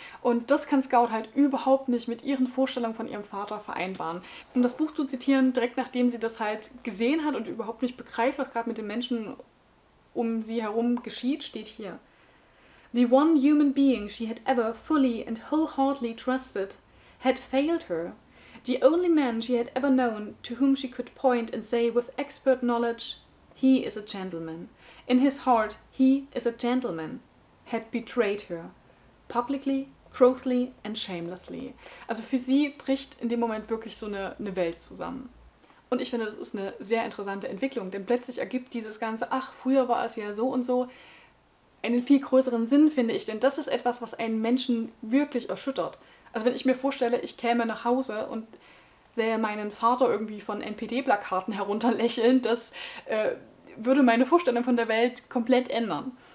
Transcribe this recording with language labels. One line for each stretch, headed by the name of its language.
German: Und das kann Scout halt überhaupt nicht mit ihren Vorstellungen von ihrem Vater vereinbaren. Um das Buch zu zitieren, direkt nachdem sie das halt gesehen hat und überhaupt nicht begreift, was gerade mit den Menschen um sie herum geschieht, steht hier:
English: The one human being she had ever fully and wholeheartedly trusted had failed her. The only man she had ever known to whom she could point and say with expert knowledge, he is a gentleman. In his heart, he is a gentleman. Had betrayed her. Publicly, grossly and shamelessly.
German: Also für sie bricht in dem Moment wirklich so eine Welt zusammen. Und ich finde, das ist eine sehr interessante Entwicklung. Denn plötzlich ergibt dieses Ganze, ach, früher war es ja so und so, einen viel größeren Sinn, finde ich. Denn das ist etwas, was einen Menschen wirklich erschüttert. Also wenn ich mir vorstelle, ich käme nach Hause und sähe meinen Vater irgendwie von NPD-Plakaten herunterlächeln, das würde meine Vorstellung von der Welt komplett ändern.